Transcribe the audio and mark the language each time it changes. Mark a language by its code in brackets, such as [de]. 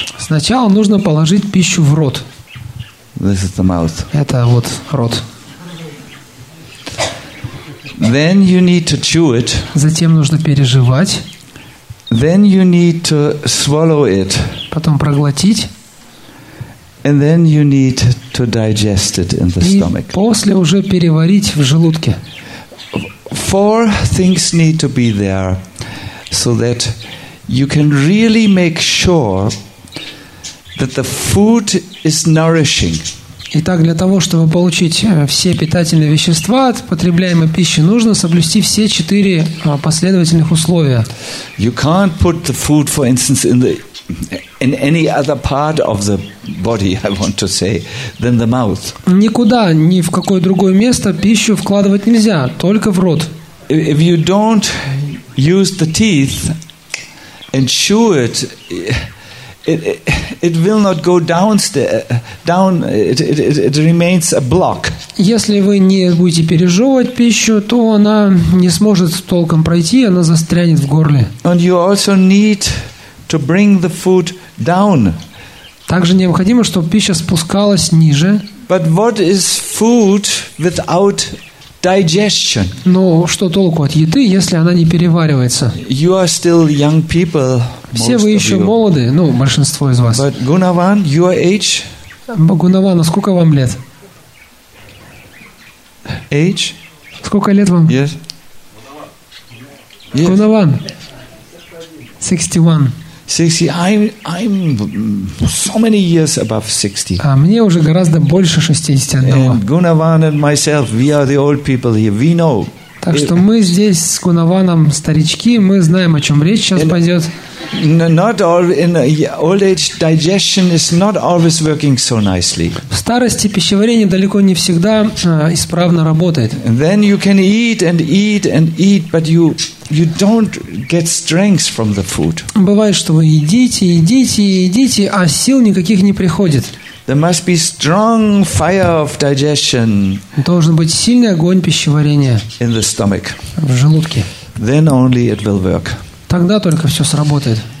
[ru] Сначала нужно положить пищу в рот. [en] This is the mouth. [ru] Это вот рот. [en] Then you need to chew it. [ru] Затем нужно переживать. [en] Then you need to swallow it. [ru] Потом проглотить. [en] And then you need to digest it in the stomach. [ru] И после уже переварить в желудке. [en] Four things need to be there so that you can really make sure that the food is nourishing. [ru] Итак, для того, чтобы получить все питательные вещества от потребляемой пищи, нужно соблюсти все четыре последовательных условия. [en] You can't put the food, for instance, in any other part of the body, I want to say, than the mouth. [ru] Никуда, ни в какое другое место пищу вкладывать нельзя, только в рот. [en] If you don't use the teeth and chew it, it will not go down. It remains a block. [ru] Если вы не будете пережевывать пищу, то она не сможет толком пройти, она застрянет в горле. [en] And you also need to bring the food down. [ru] Также необходимо, чтобы пища спускалась ниже. [en] But what is food without digestion? [ru] Но что толку от еды, если она не переваривается? [en] You are still young people. [ru] Все вы еще молоды, ну, большинство из вас. [en] But Gunavan, your age? [ru] Gunavan, сколько вам лет? [en] Age? [ru] Сколько лет вам? [en] Yes. Gunavan. 61. 60. I'm so many years above 60. [ru] А мне уже гораздо больше 61. [en] Gunavan and myself, we are the old people here. We know. [ru] Так что мы здесь с Гунаваном старички, мы знаем, о чем речь сейчас пойдет. [en] Not all in old age digestion is not always working so nicely. [ru] В старости пищеварение далеко не всегда исправно работает. [en] And then you can eat and eat and eat, but you don't get strength from the food. [ru] Бывает, что вы едите, едите, едите, а сил никаких не приходит. [en] There must be strong fire of digestion. [ru] Должен быть сильный огонь пищеварения. [en] In the stomach. [ru] В желудке. [en] Then only it will work. [ru] Тогда только все сработает.